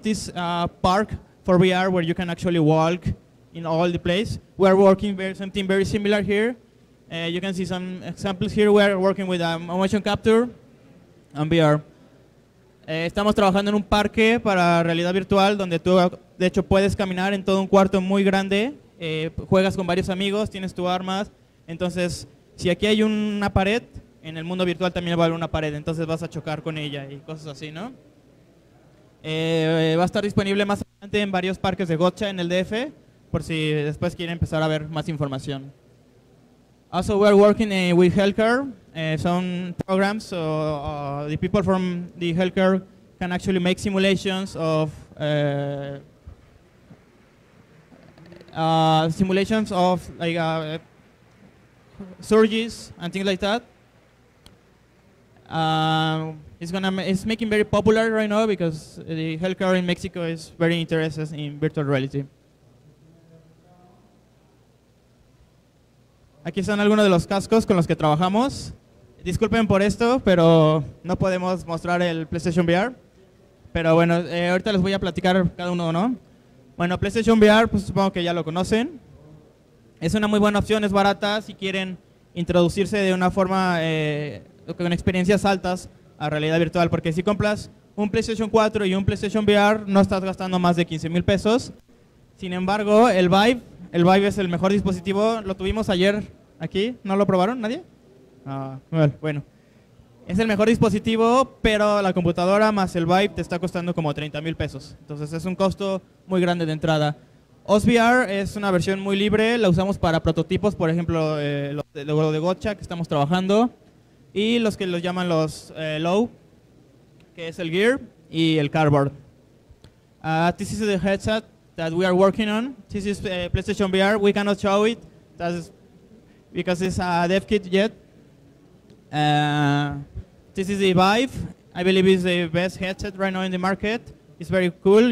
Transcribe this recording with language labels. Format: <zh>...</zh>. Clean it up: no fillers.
<en>This park for VR where you can actually walk in all the place. We are working very, something very similar here. You can see some examples here. We are working with motion capture and VR.</en> <es>Estamos trabajando en un parque para realidad virtual donde tú, de hecho, puedes caminar en todo un cuarto muy grande. Juegas con varios amigos, tienes tus armas. Entonces, si aquí hay una pared, en el mundo virtual también va a haber una pared. Entonces vas a chocar con ella y cosas así, ¿no? Va a estar disponible más adelante en varios parques de Gotcha en el DF, por si después quieren empezar a ver más información.</es> <en>Also, we are working with healthcare, some programs, so the people from the healthcare can actually make simulations of surgeries and things like that. It's making very popular right now because the healthcare in Mexico is very interested in virtual reality.</en> <es>Aquí están algunos de los cascos con los que trabajamos. Disculpen por esto, pero no podemos mostrar el PlayStation VR. Pero bueno, ahorita les voy a platicar cada uno, ¿no? Bueno, PlayStation VR, pues supongo que ya lo conocen. Es una muy buena opción, es barata si quieren introducirse de una forma con experiencias altas a realidad virtual, porque si compras un PlayStation 4 y un PlayStation VR, no estás gastando más de 15 mil pesos. Sin embargo, el Vive es el mejor dispositivo. Lo tuvimos ayer aquí. ¿No lo probaron? ¿Nadie? Bueno. Es el mejor dispositivo, pero la computadora más el Vive te está costando como 30 mil pesos. Entonces, es un costo muy grande de entrada. OSVR es una versión muy libre. La usamos para prototipos, por ejemplo, lo de Gotcha, que estamos trabajando. Y los que los llaman los Low, que es el Gear y el Cardboard.</es> <en>This is the headset that we are working on. This is PlayStation VR. We cannot show it because it's a dev kit yet. This is the Vive. I believe it's the best headset right now in the market. It's very cool.</en>